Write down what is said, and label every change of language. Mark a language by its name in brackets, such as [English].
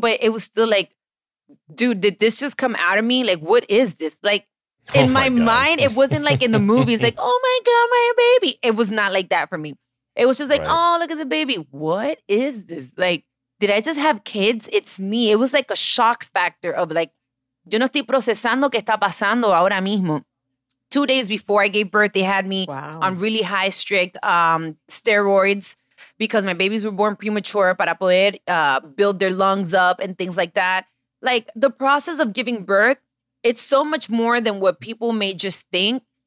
[English] But it was still like, dude, did this just come out of me? Like, what is this? Like, in my mind, it wasn't like in the movies, like, oh my God, my baby. It was not like that for me. It was just like, oh, look at the baby. What is this? Like, did I just have kids? It's me. It was like a shock factor of like, [Spanish] Yo no estoy procesando qué está pasando ahora mismo. [English] 2 days before I gave birth, they had me on really high, strict steroids because my babies were born premature [Spanish] para poder [English] build their lungs up and things like that. Like, the process of giving birth, it's so much more than what people may just think.